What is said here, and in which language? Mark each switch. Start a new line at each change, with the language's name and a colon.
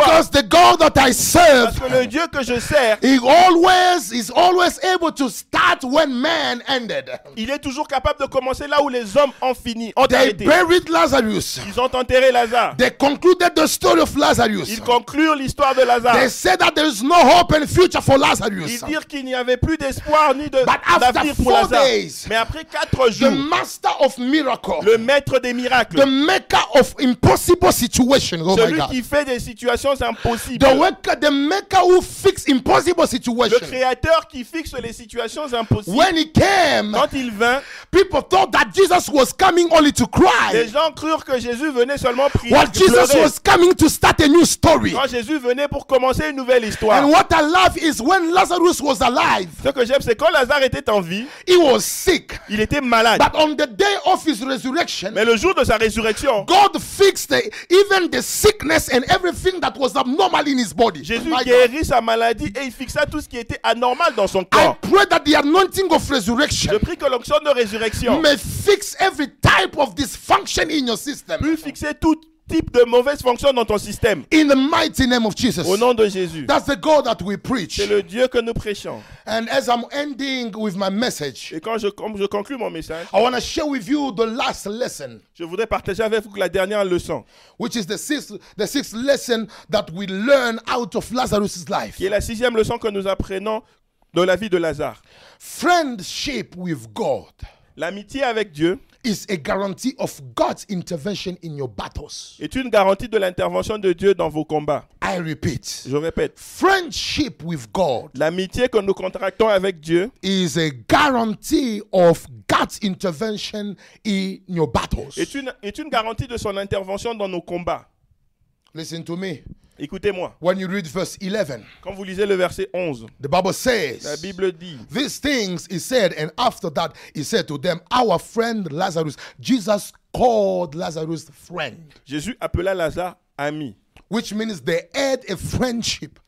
English: Because the God that I serve,
French: parce que le Dieu que je sers,
English: he always is always able to start when man ended.
French: Il est toujours capable de commencer là où les hommes ont fini, ont
English: they
French: arrêté.
English: Buried Lazarus.
French: Ils ont enterré Lazare.
English: They concluded the story of Lazarus.
French: Ils concluent l'histoire de Lazare.
English: They said that there is no hope and future for Lazarus.
French: Ils dirent qu'il n'y avait plus d'espoir ni de
English: but after
French: d'avenir pour Lazare.
English: Days,
French: mais après 4 jours,
English: the master of miracles,
French: le maître des miracles,
English: the maker of impossible situations, oh
French: celui qui fait des situations impossibles,
English: the maker who fixes impossible situations,
French: le créateur qui fixe les situations impossibles,
English: when he came,
French: quand il vint,
English: people thought that Jesus was coming only to cry.
French: Les gens crurent que Jésus venait seulement prier.
English: While Jesus
French: pleurer.
English: Was coming to start a new story.
French: Quand Jésus venait pour commencer une nouvelle histoire.
English: And what I love is when Lazarus was alive.
French: Ce que j'aime c'est quand Lazare était en vie.
English: He was sick.
French: Il était malade.
English: But on the day of his resurrection.
French: Mais le jour de sa résurrection.
English: God fixed even the sickness and everything that was abnormal in his body.
French: Jésus guérit sa maladie et il fixa tout ce qui était anormal dans son corps.
English: I pray that the anointing of resurrection.
French: Je prie que l'onction de résurrection.
English: May fix every type of dysfunction in your system.
French: Puis fixer tout type de mauvaise fonction dans ton système.
English: In the mighty name of Jesus.
French: Au nom de Jésus.
English: That's the God that we preach.
French: C'est le Dieu que nous prêchons.
English: And as I'm ending with my message.
French: Et quand je conclue mon message.
English: I want to share with you the last lesson.
French: Je voudrais partager avec vous la dernière leçon.
English: Which is the sixth lesson that we learn out of Lazarus's life.
French: Qui est la sixième leçon que nous apprenons de la vie de Lazare.
English: Friendship with God.
French: L'amitié avec Dieu
English: is a guarantee of God's intervention in your battles.
French: Est une garantie de l'intervention de Dieu dans vos combats.
English: I repeat.
French: Je répète.
English: Friendship with God.
French: L'amitié que nous contractons avec Dieu
English: is a guarantee of God's intervention in your battles.
French: Est une garantie de son intervention dans nos combats.
English: Listen to me.
French: Écoutez-moi.
English: When you read verse 11.
French: Quand vous lisez le verset 11.
English: The Bible says.
French: La Bible dit.
English: These things he said, and after that he said to them, our friend Lazarus. Jesus called Lazarus friend.
French: Jésus appela Lazare ami.
English: Which means they had a friendship.